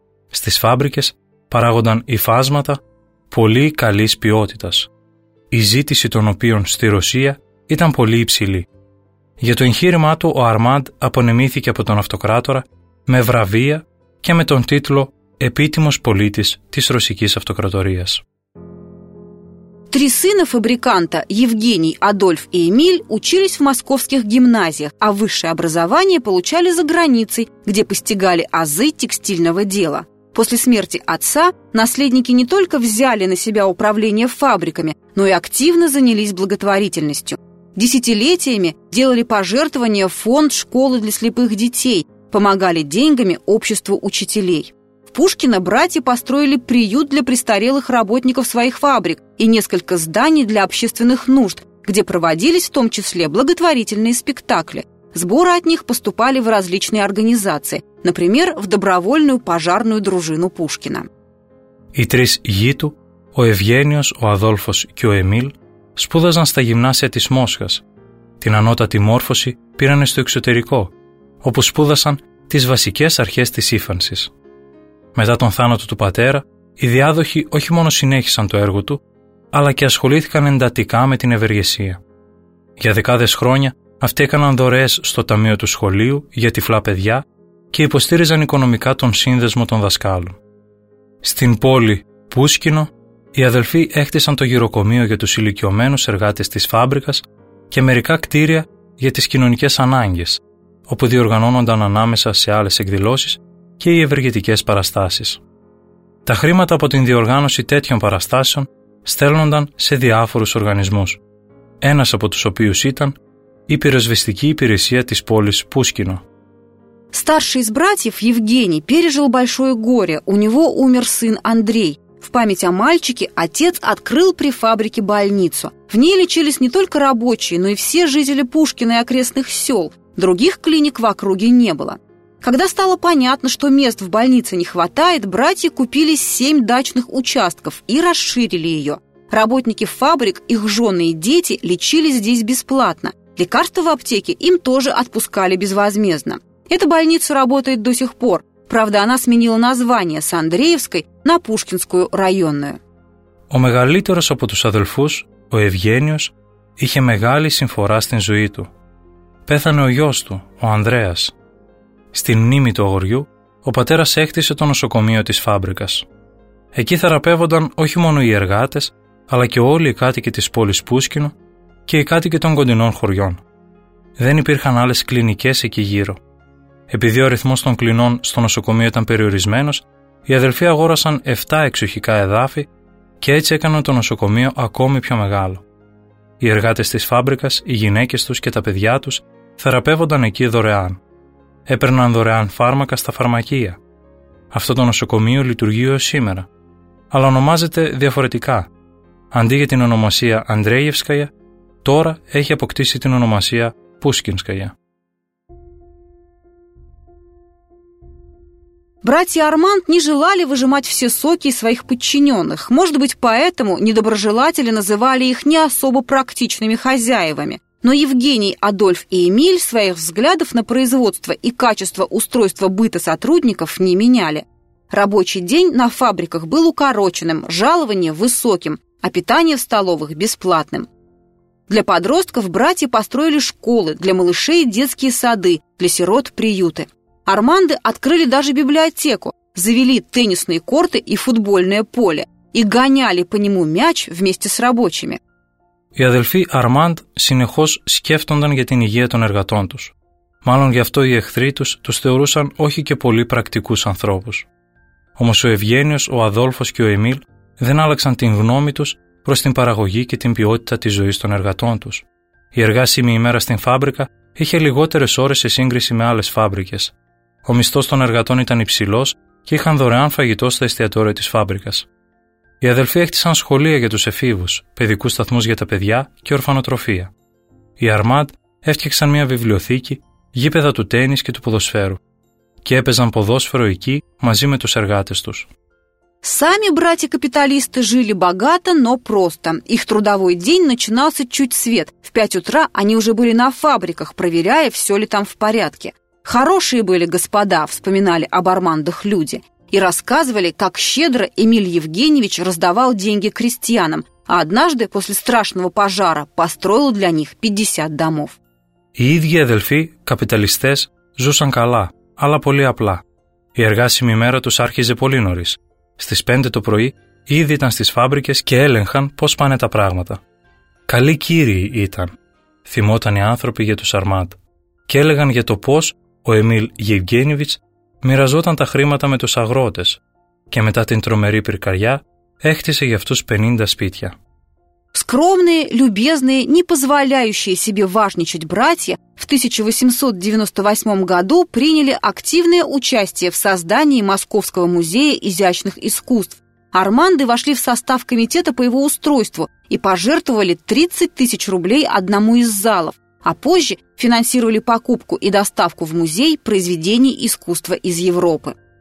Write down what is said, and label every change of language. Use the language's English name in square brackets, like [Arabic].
[Greek] Στις φάμπρικες παράγονταν υφάσματα πολύ καλής ποιότητας, η ζήτηση των οποίων στη Ρωσία ήταν πολύ υψηλή. Για το εγχείρημά του ο Αρμάντ απονεμήθηκε από τον αυτοκράτορα με βραβεία και με τον τίτλο «Επίτιμος πολίτης της Ρωσικής Αυτοκρατορίας». [Russian] Три сына фабриканта, Евгений, Адольф и Эмиль, учились в московских гимназиях, а высшее образование получали за границей, где постигали азы текстильного дела. После смерти отца наследники не только взяли на себя управление фабриками, но и активно занялись благотворительностью. десятилетиями делали пожертвования в фонд школы для слепых детей, помогали деньгами обществу учителей. В Пушкино братья построили приют для престарелых работников своих фабрик и несколько зданий для общественных нужд, где проводились в том числе благотворительные спектакли. Сборы от них поступали в различные организации, например, в добровольную пожарную дружину Пушкина. [Greek] Οι τρεις γιοι του, ο Ευγένιος, ο Αδόλφος και ο Εμίλ, σπούδαζαν στα γυμνάσια της Μόσχας. Την ανώτατη μόρφωση πήραν στο εξωτερικό, όπου σπούδασαν τις βασικές αρχές της ύφανσης. Μετά τον θάνατο του πατέρα, οι διάδοχοι όχι μόνο συνέχισαν το έργο του, αλλά και ασχολήθηκαν εντατικά με την ευεργεσία. Για δεκάδες χρόνια, αυτοί έκαναν δωρεές στο ταμείο του σχολείου για τυφλά παιδιά και υποστήριζαν οικονομικά τον σύνδεσμο των δασκάλων. Στην πόλη Πούσκινο, οι αδελφοί έκτισαν το γυροκομείο για τους ηλικιωμένους εργάτες της φάμπρικας και μερικά κτίρια για τις κοινωνικές ανάγκες, όπου διοργανώνονταν ανάμεσα σε άλλες εκδηλώσεις και οι ευεργετικές παραστάσεις. Τα χρήματα από την διοργάνωση τέτοιων παραστάσεων στέλνονταν σε διάφορους οργανισμούς, ένας από τους οποίους ήταν η πυροσβεστική υπηρεσία της πόλης Πούσκινο. [Russian] Старший из братьев, Евгений, пережил большое горе. У него умер сын Андрей. В память о мальчике отец открыл при фабрике больницу. В ней лечились не только рабочие, но и все жители Пушкина и окрестных сел. Других клиник в округе не было. Когда стало понятно, что мест в больнице не хватает, братья купили 7 дачных участков и расширили ее. Работники фабрик, их жены и дети лечились здесь бесплатно. Лекарства в аптеке им тоже отпускали безвозмездно. Эта больница работает до сих пор. Правда, она сменила название с Андреевской на Пушкинскую районную. [Greek] Ο μεγαλύτερος από τους αδελφούς, ο Ευγένιος, είχε μεγάλη συμφορά στην ζωή του. Πέθανε ο γιος του, ο Ανδρέας. Στην μνήμη του αγοριού, ο πατέρας έκτισε το νοσοκομείο της φάμπρικας. Εκεί θεραπεύονταν όχι μόνο οι εργάτες, αλλά και όλοι οι κάτοικοι της πόλης Πούσκινο και οι κάτοικοι των κοντινών χωριών. Δεν υπήρχαν άλλες κλινικές εκεί γύρω. Επειδή ο αριθμός των κλινών στο νοσοκομείο ήταν περιορισμένος, οι αδελφοί αγόρασαν 7 εξοχικά εδάφη και έτσι έκαναν το νοσοκομείο ακόμη πιο μεγάλο. Οι εργάτες της φάμπρικας, οι γυναίκες τους και τα παιδιά τους θεραπεύονταν εκεί δωρεάν. Έπαιρναν δωρεάν φάρμακα στα φαρμακεία. Αυτό το νοσοκομείο λειτουργεί έως σήμερα, αλλά ονομάζεται διαφορετικά. Αντί για την ονομασία Αντρέγευσκαγια, τώρα έχει αποκτήσει την ονομασία Πούσκινσκαγια. [Russian] Братья Арманд не желали выжимать все соки из своих подчиненных. Может быть, поэтому недоброжелатели называли их не особо практичными хозяевами. Но Евгений, Адольф и Эмиль своих взглядов на производство и качество устройства быта сотрудников не меняли. Рабочий день на фабриках был укороченным, жалование высоким, а питание в столовых бесплатным. Для подростков братья построили школы, для малышей детские сады, для сирот приюты. Арманды открыли даже библиотеку, завели теннисные корты и футбольное поле и гоняли по нему мяч вместе с рабочими. [Greek] Οι αδελφοί Арманд συνεχώς σκέφτονταν για την υγεία των εργατών τους. Μάλλον γι' αυτό οι εχθροί τους τους θεωρούσαν όχι και πολύ πρακτικούς ανθρώπους. Όμως ο Ευγένιος, ο Αδόλφος και ο Εμίλ δεν άλλαξαν την γνώμη τους προς την παραγωγή και την ποιότητα της ζωής των εργατών τους. Η εργάσιμη ημέρα στην φάμπρικα είχε λιγότερες ώρες σε σύγκριση με άλλες φάμπρικες. Ο μισθός των εργατών ήταν υψηλός και είχαν δωρεάν φαγητό στα εστιατόρια της φάμπρικας. Οι αδελφοί έκτισαν σχολεία για τους εφήβους, παιδικούς σταθμούς για τα παιδιά και ορφανοτροφία. Οι Αρμάντ έφτιαξαν μια βιβλιοθήκη, γήπεδα του τένις και του ποδοσφαίρου. Και έπαιζαν ποδόσφαιρο εκεί μαζί με τους εργάτες τους. [Russian] Сами братья-капиталисты жили богато, но просто. Их трудовой день начинался чуть свет. В 5 утра они уже были на фабриках, проверяя, все ли там в порядке. Хорошие были господа, вспоминали об Армандах люди. И рассказывали, как щедро Эмиль Евгеньевич раздавал деньги крестьянам, а однажды после страшного пожара построил для них 50 домов. [Greek] Οι ίδιοι αδελφοί, капиталистές, ζούσαν καλά, αλλά πολύ απλά. Η εργάσιμη μέρα τους άρχιζε πολύ νωρίς. Στις 5 το πρωί ήδη ήταν στις φάμπρικες και έλεγχαν πώς πάνε τα πράγματα. Καλοί κύριοι ήταν, θυμόταν οι άνθρωποι για τους Αρμάντ, και έλεγαν για το πώς ο Εμίλ Γευγένιβιτς μοιραζόταν τα χρήματα με τους αγρότες και μετά την τρομερή πυρκαγιά έκτισε για αυτούς 50 σπίτια. [Russian] С Скромные, любезные, не позволяющие себе важничать братья в 1898 году приняли активное участие в создании Московского музея изящных искусств. Арманды вошли в состав комитета по его устройству и пожертвовали 30 тысяч рублей одному из залов, а позже финансировали покупку и доставку в музей произведений искусства из Европы.